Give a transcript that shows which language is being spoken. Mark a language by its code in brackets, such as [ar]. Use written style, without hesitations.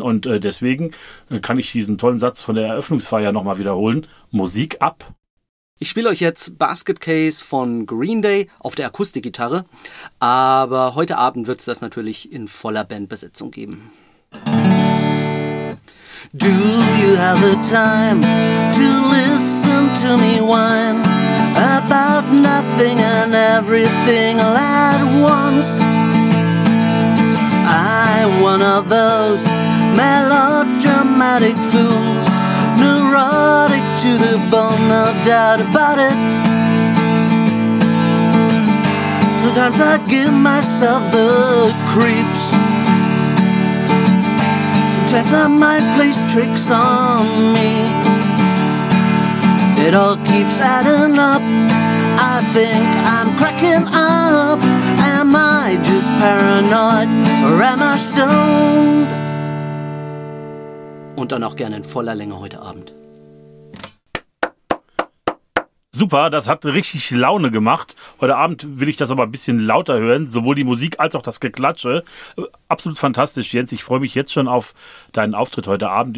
[de] Und deswegen kann ich diesen tollen Satz von der Eröffnungsfeier nochmal wiederholen. Musik ab! Ich spiele euch jetzt Basket Case von Green Day auf der Akustikgitarre, aber heute Abend wird es das natürlich in voller Bandbesetzung geben. [en] Do you have the time to listen to me whine about nothing and everything all at once? I'm one of those melodramatic fools, neurotic to the bone, no doubt about it. Sometimes I give myself the creeps. Sometimes I might place tricks on me. It all keeps adding up. I think I'm cracking up. Am I just paranoid or am I stoned? [de] Und dann auch gerne in voller Länge heute Abend. Super, das hat richtig Laune gemacht. Heute Abend will ich das aber ein bisschen lauter hören, sowohl die Musik als auch das Geklatsche. Absolut fantastisch, Jens. Ich freue mich jetzt schon auf deinen Auftritt heute Abend.